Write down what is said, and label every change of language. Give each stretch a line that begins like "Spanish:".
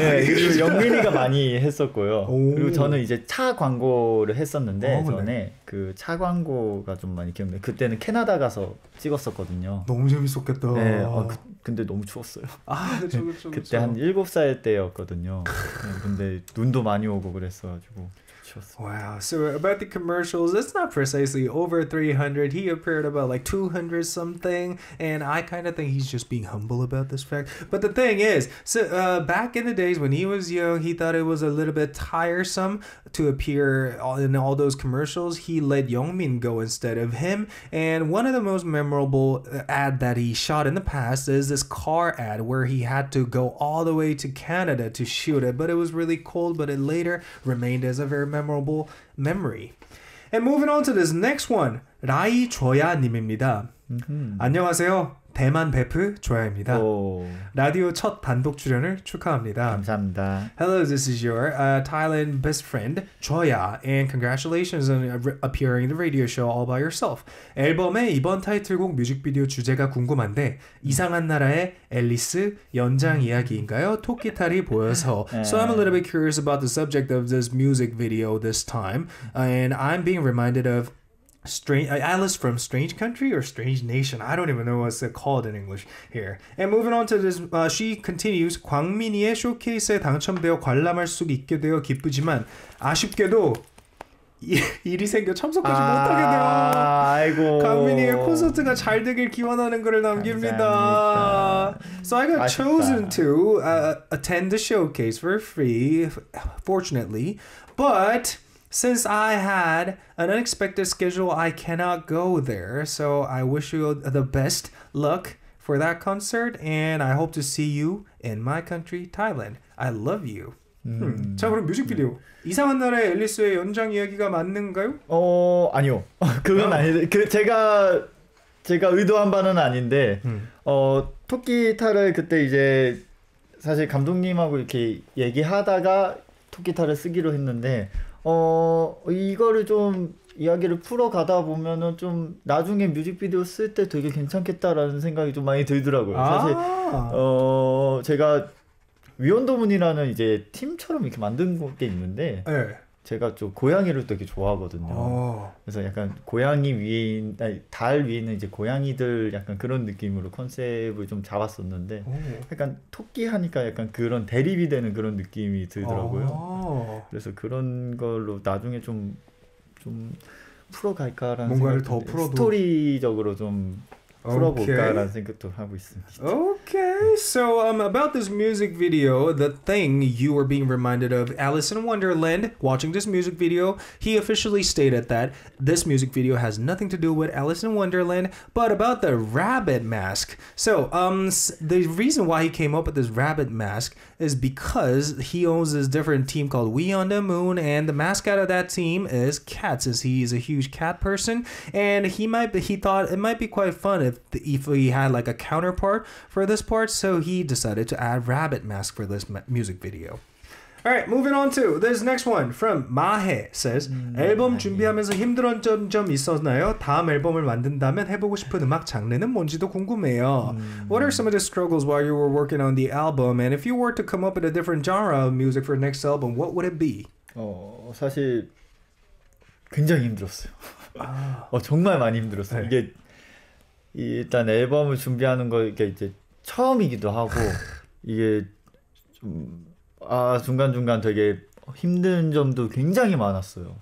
Korean: 네, 그리고 영민이가 많이 했었고요. 오. 그리고 저는 이제 차 광고를 했었는데 전에 그 차 광고가 좀 많이 기억나요. 그때는 캐나다 가서 찍었었거든요. 너무 재밌었겠다. 네, 근데 너무 추웠어요. 아, 그렇죠. 그때 한 7살 때였거든요. 근데 눈도 많이 오고 그랬어가지고.
English: Wow, so about the commercials, it's not precisely over 300. He appeared about like 200 something, and I kind of think he's just being humble about this fact. But the thing is, so back in the days when he was young, he thought it was a little bit tiresome to appear in all those commercials. He let Youngmin go instead of him, and one of the most memorable ad that he shot in the past is this car ad where he had to go all the way to Canada to shoot it, but it was really cold, but it later remained as a very memorable memory. And moving on to this next one,
Korean: 라이 조야 님입니다. 안녕하세요. 대만 베프 조야입니다. 라디오 첫 단독 출연을 축하합니다. 감사합니다.
English: Hello, this is your Thailand best friend, Joya, and congratulations on appearing in the radio show all by yourself.
Korean: 앨범의 이번 타이틀곡 뮤직비디오 주제가 궁금한데 이상한 나라의 앨리스 연장 이야기인가요? 토끼탈이 보여서.
English: So I'm a little bit curious about the subject of this music video this time, and I'm being reminded of Alice from Strange Country or Strange Nation. I don't even know what's it called in English here. And moving on to this, she continues.
Korean: 광민이의 쇼케이스에 당첨되어 관람할 수 있게 되어 기쁘지만 아쉽게도 일이 생겨 참석하지 못하게 되어 광민이의 콘서트가 잘 되길 기원하는 글을 남깁니다. 감사합니다.
English: So I got
Korean: 아쉽다.
English: chosen to attend the showcase for free, fortunately, but since I had an unexpected schedule, I cannot go there. So I wish you the best luck for that concert. And I hope to see you in my country, Thailand. I love you.
Korean: 자 그럼 뮤직비디오 네. 이상한 나라의 앨리스의 연장 이야기가 맞는가요? 어 아니요 그건 아닌데 그 제가 의도한 바는 아닌데 어 토끼 탈을 그때 이제 사실 감독님하고 이렇게 얘기하다가 토끼 탈을 쓰기로 했는데 어 이거를 좀 이야기를 풀어가다 보면은 좀 나중에 뮤직비디오 쓸 때 되게 괜찮겠다라는 생각이 좀 많이 들더라고요. 사실 아~ 어 제가 위원도문이라는 이제 팀처럼 이렇게 만든 게 있는데 네. 제가 좀 고양이를 되게 좋아하거든요. 그래서 약간 고양이 위에 아니, 달 위에 있는 이제 고양이들 약간 그런 느낌으로 컨셉을 좀 잡았었는데 약간 토끼 하니까 약간 그런 대립이 되는 그런 느낌이 들더라고요. 그래서 그런 걸로 나중에 좀 풀어갈까라는 뭔가를 더 풀어도 스토리적으로 좀 풀어볼까라는 생각도 하고 있습니다.
English: Okay, so about this music video, the thing you were being reminded of, Alice in Wonderland, watching this music video, he officially stated that this music video has nothing to do with Alice in Wonderland, but about the rabbit mask. So the reason why he came up with this rabbit mask is because he owns this different team called We on the Moon, and the mascot of that team is cats, as he is a huge cat person, and he thought it might be quite fun if he had like a counterpart for this part, so he decided to add rabbit mask for this music video. All right, moving on to this next one from Mahe says,
Korean: 앨범 준비하면서 힘든 점 있었나요? 다음 앨범을 만든다면 해보고 싶은 음악 장르는 뭔지도 궁금해요.
English: What are some of the struggles while you were working on the album? And if you were to come up with a different genre of music for next album, what would it be?
Korean: 사실 굉장히 힘들었어요. 정말 많이 힘들었어요. 네. 이게 일단 앨범을 준비하는 거 이게 이제 처음이기도 하고 이게 좀 중간중간 되게 힘든 점도 굉장히 많았어요.